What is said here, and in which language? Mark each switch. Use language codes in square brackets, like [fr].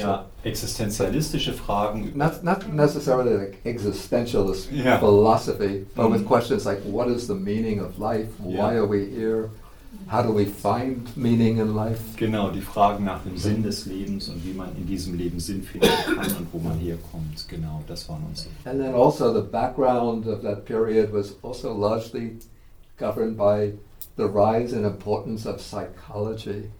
[de] Ja, existenzialistische Fragen. [en] Not necessarily like existentialist yeah. philosophy, but mm. with questions like what is the meaning of life, yeah. why are we here? How do we find meaning in life? [de] Genau, die Fragen nach dem Sinn des Lebens und wie man in diesem Leben Sinn finden kann und wo man herkommt. Genau, das waren unsere. [en] And then also the background of that period was also largely governed by the rise and importance of psychology.